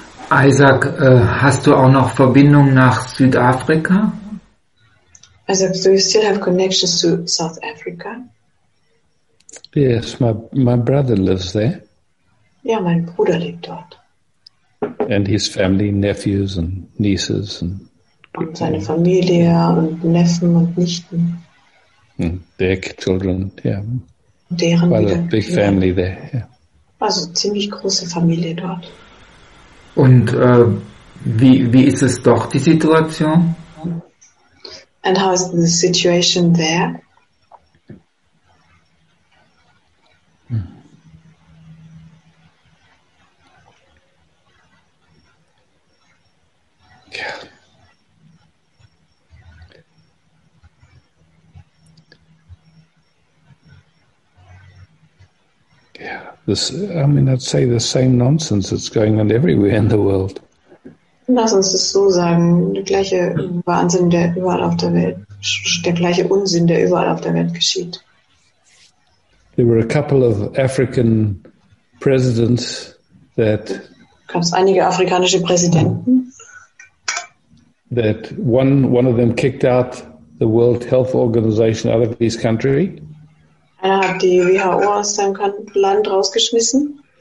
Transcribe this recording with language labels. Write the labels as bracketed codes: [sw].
[de] Isaac, hast du auch noch Verbindung nach Südafrika? [en] Isaac, do you still have connections to South Africa? Yes, my brother lives there. [de] Ja, mein Bruder lebt dort. [en] And his family, nephews and nieces. And [de] seine Familie und Neffen und Nichten. [en] And their children, yeah. [de] Deren [en] well, a big family there, yeah. [de] Also ziemlich große Familie dort. Und wie ist es doch die Situation? [en] And how is the situation there? This, I mean, I'd say the same nonsense that's going on everywhere in the world. [de] Lass uns das so sagen, der gleiche Wahnsinn, der überall auf der Welt, der gleiche Unsinn, der überall auf der Welt geschieht. [en] There were a couple of African presidents that [de] gab's einige afrikanische Präsidenten. [en] That one of them kicked out the World Health Organization out of his country. [de] Er hat die WHO aus seinem Land rausgeschmissen.